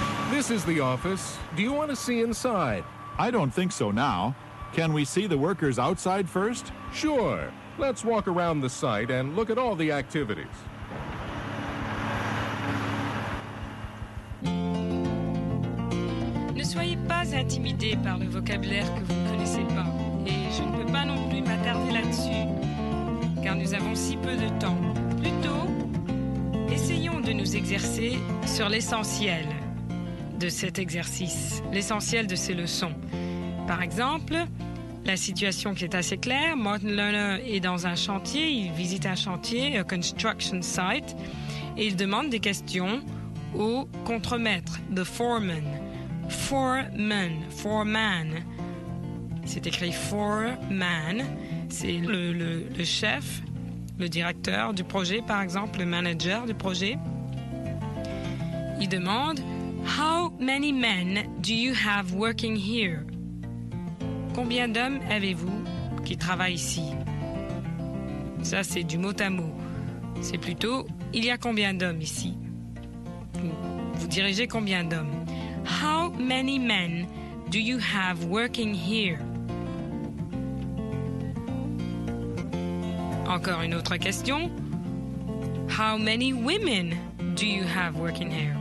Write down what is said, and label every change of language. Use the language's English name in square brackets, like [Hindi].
[English] This is the office. Do you want to see inside? I don't think so now. Can we see the workers outside first? Sure. Let's walk around the site and look at all the activities. [French] Ne soyez pas intimidé par le vocabulaire que vous ne connaissez pas. Et je ne peux pas non plus m'attarder là-dessus, car nous avons si peu de temps. Plutôt, essayons de nous exercer sur l'essentiel de cet exercice, l'essentiel de ces leçons. Par exemple, la situation qui est assez claire, Martin Luther est dans un chantier, il visite un chantier, a construction site, et il demande des questions au contremaître, the foreman. [English] Foreman, foreman. [French] C'est écrit foreman, c'est le chef, le directeur du projet, par exemple, le manager du projet. Il demande, how many men do you have working here? Combien d'hommes avez-vous qui travaillent ici? Ça, c'est du mot à mot. C'est plutôt, il y a combien d'hommes ici? Vous dirigez combien d'hommes? [English] How many men do you have working here? Encore une autre question. [French] How many women do you have working here?